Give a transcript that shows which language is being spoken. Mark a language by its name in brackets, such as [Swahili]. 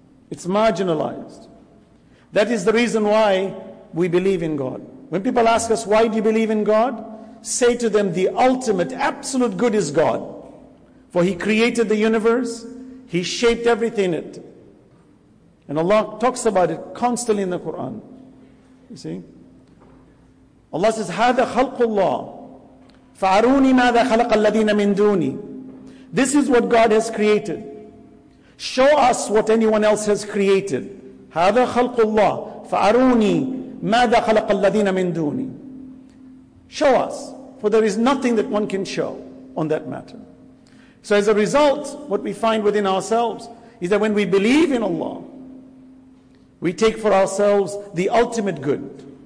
[English] It's marginalized. That is the reason why we believe in God. When people ask us, why do you believe in God? Say to them, the ultimate, absolute good is God. For He created the universe. He shaped everything in it. And Allah talks about it constantly in the Quran. You see? Allah says, [Arabic] هَذَا خَلْقُ اللَّهِ فَعَرُونِي مَاذَا خَلَقَ الَّذِينَ مِنْ دُونِي. [English] This is what God has created. Show us what anyone else has created. [Arabic] هَذَا خَلْقُ اللَّهِ فَعَرُونِي مَاذَا خَلَقَ الَّذِينَ مِنْ دُونِي. [English] Show us. For there is nothing that one can show on that matter. So as a result, what we find within ourselves is that when we believe in Allah, we take for ourselves the ultimate good.